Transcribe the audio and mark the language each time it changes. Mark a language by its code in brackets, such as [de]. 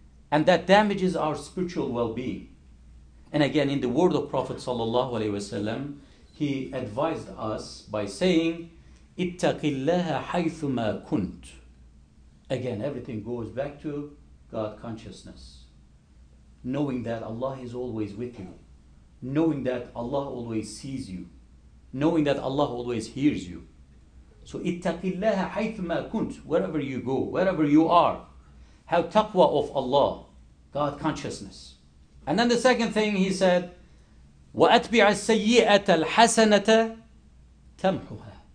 [en] And that damages our spiritual well-being. And again, in the word of Prophet sallallahu alaihi wasallam, he advised us by saying, [ar] اتَّقِ اللَّهَ حَيْثُمَا كُنْتُ. [en] Again, everything goes back to God consciousness. Knowing that Allah is always with you. Knowing that Allah always sees you. Knowing that Allah always hears you. So, [ar] اتَّقِ اللَّهَ حَيْثُمَا كُنْتُ. [en] Wherever you go, wherever you are, have taqwa of Allah, God consciousness. And then the second thing he said, [ar] وَأَتْبِعَ السَّيِّئَةَ الْحَسَنَةَ تَمْحُهَا.